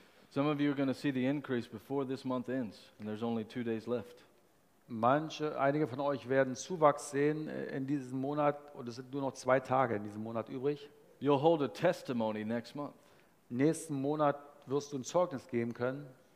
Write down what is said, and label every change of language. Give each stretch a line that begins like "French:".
English: Some of you are going to see the increase before this month ends, and there's only 2 days left.
German: Einige von euch werden Zuwachs sehen in diesem Monat, und es sind nur noch 2 Tage in diesem Monat übrig.
English: You'll hold a testimony next month.
German: Nächsten Monat wirst du ein Zeugnis geben können.